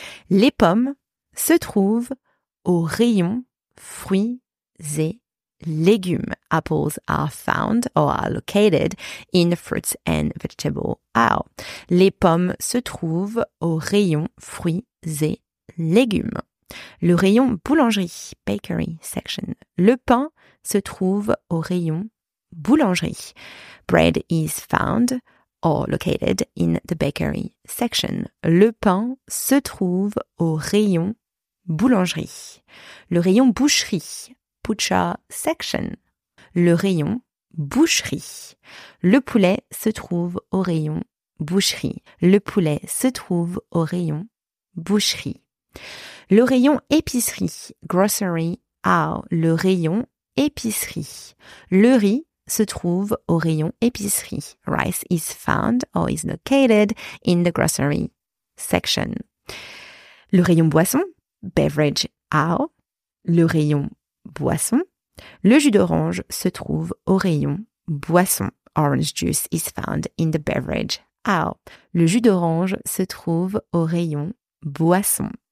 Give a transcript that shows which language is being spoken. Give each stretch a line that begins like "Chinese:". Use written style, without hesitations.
French: Les pommes se trouvent au rayon fruits et légumes.
English: Apples are found or are located in the fruits and vegetable aisle.
French: Les pommes se trouvent au rayon fruits et légumes. Le rayon boulangerie,
English: bakery section.
French: Le pain se trouve au rayon boulangerie.
English: Bread is found or located in the bakery section.
French: Le pain se trouve au rayon boulangerie. Le rayon boucherie,
English: butcher section.
French: Le rayon boucherie. Le poulet se trouve au rayon boucherie. Le poulet se trouve au rayon boucherie. Le rayon épicerie, grocery, a le rayon épicerie. Le riz se trouve au rayon épicerie.
English: Rice is found or is located in the grocery section.
French: Le rayon boisson, beverage, a le rayon boisson. Le jus d'orange se trouve au rayon boisson.
English: Orange juice is found in the beverage aisle.
French: Le jus d'orange se trouve au rayon boisson.